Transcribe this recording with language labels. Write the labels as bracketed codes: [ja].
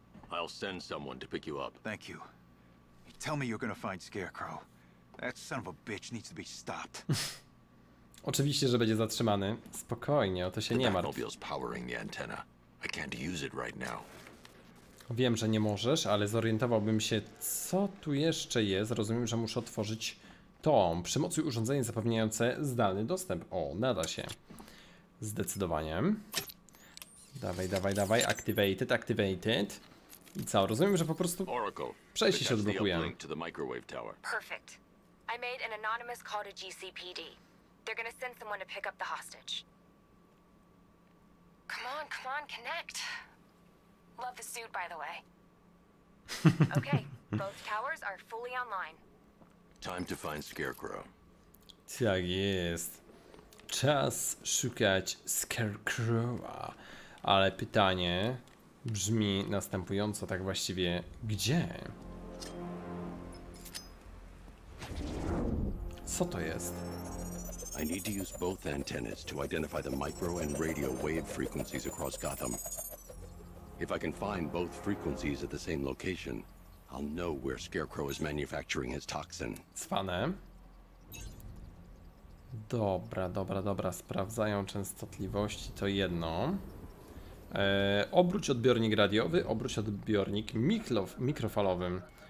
[en] I'll send someone to pick you up. Thank you. You tell me you're gonna find Scarecrow. That son of a bitch needs to be stopped. [pl] Oczywiście, że będzie zatrzymany. Spokojnie, o to się nie martw. [en] The Batmobile's powering the antenna. I can't use it right now. [pl] Wiem, że nie możesz, ale zorientowałbym się, co tu jeszcze jest. Rozumiem, że muszę otworzyć to. Przymocuj urządzenie zapewniające zdalny dostęp. O, nada się. Zdecydowanie. Dawaj. [en] Activated. [pl] I co? Rozumiem, że po prostu przejście się odblokuje. [en] Perfect. I made an anonymous call to GCPD. They're gonna send someone to pick up the hostage. Come on, connect. Love the suit, by the way. Okay, both towers are fully online. Time to find Scarecrow. [pl] Tak jest. Czas szukać Scarecrowa. Ale pytanie. brzmi następująco, tak właściwie gdzie? Co to jest? [en] I need to use both antennas to identify the micro and radio wave frequencies across Gotham. If I can find both frequencies at the same location, I'll know where Scarecrow is manufacturing his toxin. [pl] Cwane. Dobra, dobra, dobra. Sprawdzają częstotliwości, to jedno. Obróć odbiornik radiowy, obróć odbiornik mikrofalowy.